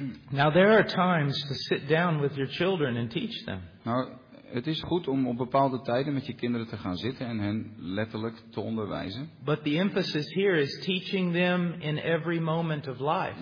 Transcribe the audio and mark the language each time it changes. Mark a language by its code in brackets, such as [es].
[en] Now there are times to sit down with your children and teach them. [nl] Nou, het is goed om op bepaalde tijden met je kinderen te gaan zitten en hen letterlijk te onderwijzen. [en] But the emphasis here is teaching them in every moment of life.